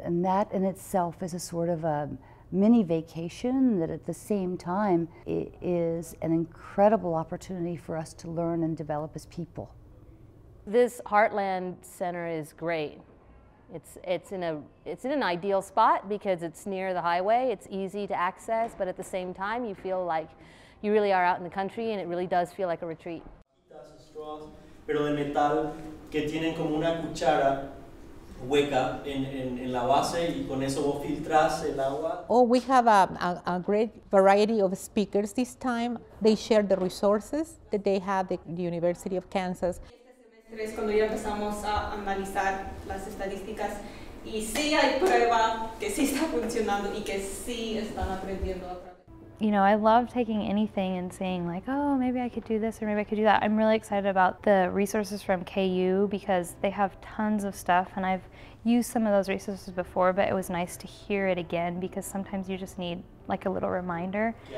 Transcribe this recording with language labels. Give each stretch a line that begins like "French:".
English: And that in itself is a sort of a mini vacation that at the same time it is an incredible opportunity for us to learn and develop as people. This Heartland Center is great. It's in an ideal spot because it's near the highway, it's easy to access, but at the same time you feel like you really are out in the country and it really does feel like a retreat.
Spanish: Pero de metal que tienen como una cuchara hueca en la base y con eso vos filtras el agua.
English: Oh, we have a great variety of speakers this time. They share the resources that they have at the University of Kansas.
Spanish: Este semestre es cuando ya empezamos a analizar las estadísticas y sí hay prueba que sí está funcionando y que sí están aprendiendo.
English: You know, I love taking anything and saying like, oh, maybe I could do this or maybe I could do that. I'm really excited about the resources from KU because they have tons of stuff, and I've used some of those resources before, but it was nice to hear it again because sometimes you just need like a little reminder.